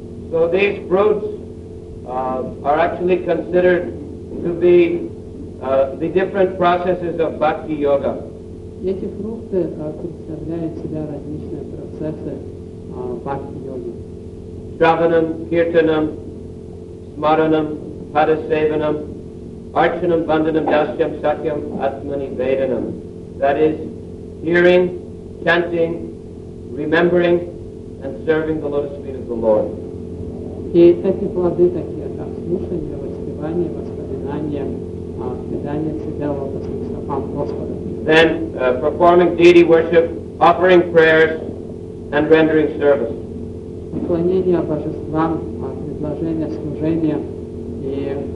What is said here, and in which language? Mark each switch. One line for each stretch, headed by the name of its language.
English: So these fruits are actually considered to be the different processes of bhakti yoga.
Russian: Эти фрукты представляют себя различные процессы бхакти йоги.
Sanskrit: Shravanam, kirtanam, smaranam, padasevanam, archanam, bandhanam, dasyam, sakyam, atmani, vedanam.
English: That is hearing, chanting, remembering and serving the lotus feet of the Lord.
Russian: И эти плоды такие, как слушание, воспевание, воспоминание, предание себя лотосным стопам Господа.
English: Then performing deity worship, offering prayers and rendering service.
Russian: Поклонение божествам, предложение служения и